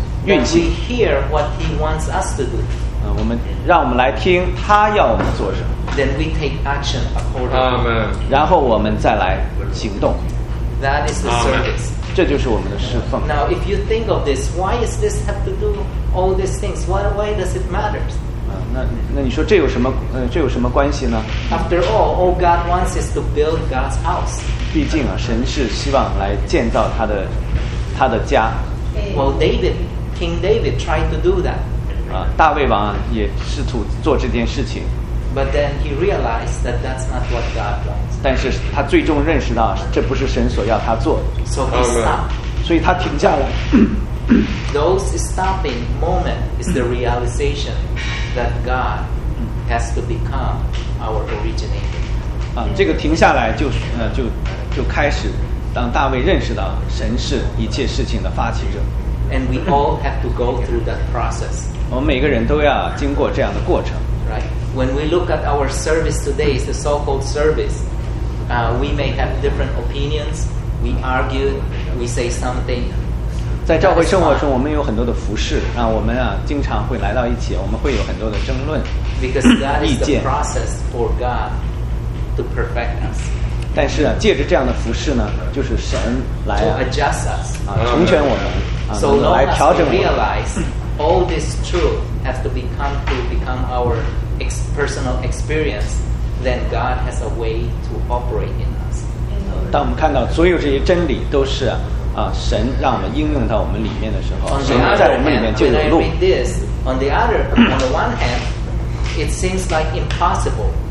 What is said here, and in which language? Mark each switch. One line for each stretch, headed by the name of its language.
English: We hear what he wants us to do.
Chinese: 我们让我们来听他要我们做什么。
English: Then we take action accordingly. Amen.
Chinese: 然后我们再来行动。
English: That is the service.
Chinese: 这就是我们的侍奉。
English: Now, if you think of this, why does this have to do all these things? Why does it matter?
Chinese: 那你说这有什么这有什么关系呢
English: ？After all God wants is to build God's house.
Chinese: 毕竟啊，神是希望来建造他的家。
English: Well, David. King David tried to do that.
Chinese: 大卫王也试图做这件事情。
English: But then he realized that that's not what God wants.
Chinese: 但是他最终认识到这不是神所要他做的。
English: So he stopped.
Chinese: 所以他停下来。
English: Those stopping moments is the realization that God has to become our originator.
Chinese: 这个停下来就开始当大卫认识到神是一切事情的发起者。
English: And we all have to go through that process.
Chinese: 我们每个人都要经过这样的过程。
English: Right? When we look at our service today, the so-called service, we may have different opinions. We argue. We say something.
Chinese: 在教会生活中，我们有很多的服事。我们经常会来到一起，我们会有很多的争论。
English: Because that is the process for God to perfect us.
Chinese: 但是、啊、借着这样的服侍呢，就是神来
English: adjust us
Chinese: 啊，成全我们啊，
English: so、
Chinese: 来调整我们。
English: Realize all this truth has to become our personal experience. Then God has a way to operate in us.
Chinese: 当我们看到所有这些真理都是啊，神让我们应用到我们里面的时候，神在我们里面就有路。
English: On the one hand, it seems like impossible.